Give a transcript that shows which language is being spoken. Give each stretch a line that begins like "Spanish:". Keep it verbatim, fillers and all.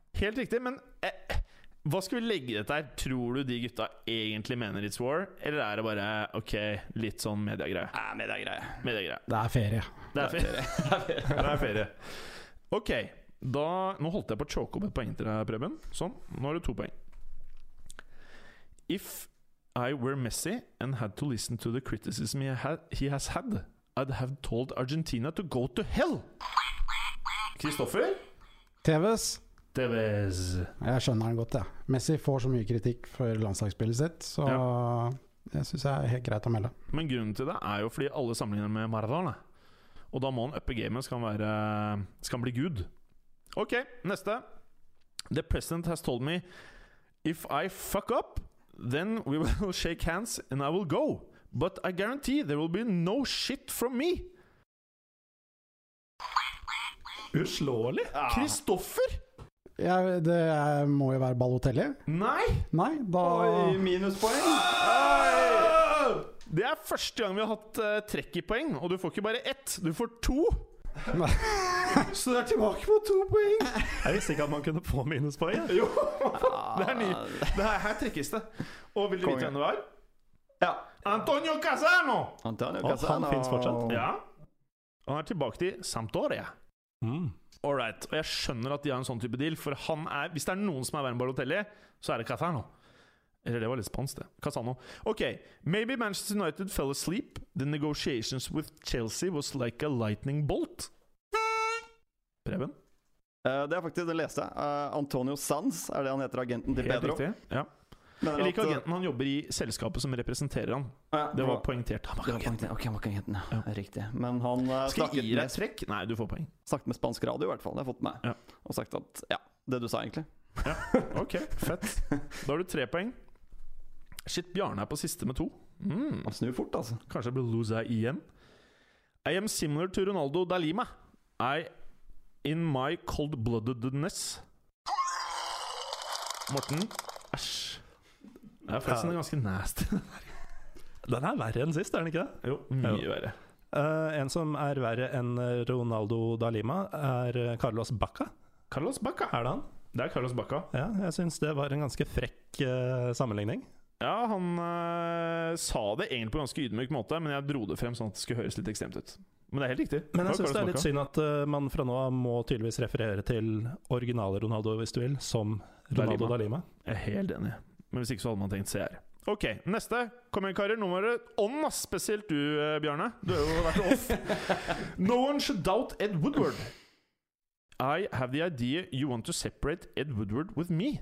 Norwegian: Helt riktig, men eh, hva skal vi legge dette her? Tror du de gutta egentlig mener
English: it's war?
Norwegian: Eller er det bare ok, litt sånn mediegreie? Nei, mediegreie. Mediegreie. Det er ferie. Det er ferie. Det er ferie. Det er ferie. Ok, da, nå holdt jeg på å choke opp et poeng til deg, Preben. Sånn, nå har du to poeng.
English: If I were Messi and had to listen to the criticism he, ha- he has had, I'd have told Argentina to go to hell.
Norwegian: Kristoffer? Tevez. Tevez. Jeg skjønner den godt, jeg. Ja. Messi får så mye kritikk for landslagsspillet sitt, så ja. Det synes jeg er helt greit å melde. Men grunnen til det er jo fordi alle sammenligner med Maradona. Og da må han uppe gamet, skal han være, skal han bli Gud. Ok, neste.
English: The president has told me, if I fuck up, then we will shake hands and I will go. But I guarantee there will be no shit from me.
Norwegian: Uslåelig. Kristoffer? Ja, det må jo være Balotelli. Nei. Nei, da... Oi, minuspoeng. Oi. Det er første gang vi har hatt uh, trekk i poeng. Og du får ikke bare ett, du får to. Nei. Så det er tilbake på to poeng. Jeg visste ikke at man kunne få minuspoeng. Jo, det er ny. Det her, her trekkes det. Og vil du vite hvem det var? Ja, Antonio Cassano. Antonio Cassano. Og han finnes fortsatt. Ja. Han er tilbake til Sampdoria. Mm. Alright, og jeg skjønner at de har en sånn type deal. For han er, hvis det er noen som er verre enn Balotelli, så er det Cassano. Eller det var litt spansk det. Cassano.
English: Ok, maybe Manchester United fell asleep. The negotiations with Chelsea was like a lightning bolt.
Norwegian: Preben? Uh, det er faktisk det leste jeg. Uh, Antonio Sanz er det han heter, agenten til Pedro. Helt riktig, ja. Jeg liker agenten, han jobber i selskapet som representerer han. Ja, det var poengtert. Han var agenten. Ok, han var agenten, ja. Ja. Riktig. Men han uh, Skal jeg gi deg et trekk? Nei, du får poeng. Snakket med spansk radio i hvert fall, det har jeg fått med. Ja. Og sagt at, ja, det du sa egentlig. Ja, ok, fett. Da har du tre poeng. Shit, Bjarne er på siste med to. Mm. Han snur fort, altså. Kanskje jeg blir loser igjen.
English: I am similar to Ronaldo da Lima. I in my cold-bloodedness.
Norwegian: Morten. Æsj. Det er faktisk ganske nasty. Den er verre enn sist, er den ikke det? Jo, mye verre. Uh, en som er verre enn Ronaldo da Lima er Carlos Bacca. Carlos Bacca? Er det han? Det er Carlos Bacca. Ja, jeg synes det var en ganske frekk uh, sammenligning. Ja, han øh, sa det egentlig på en ganske ydmyk måte, men jeg dro det frem sånn at det skulle høres litt ekstremt ut. Men det er helt riktig. Men jeg synes det er litt synd at uh, man fra nå av må tydeligvis referere til originale Ronaldo, hvis du vil, som Ronaldo da Lima. Jeg er helt enig. Men hvis ikke så hadde man tenkt C R. Ok, neste. Kom igjen, karer. Nå må dere ånda, spesielt du, uh, Bjarne. Du har jo vært off.
English: No one should doubt Ed Woodward. I have the idea you want to separate Ed Woodward with me.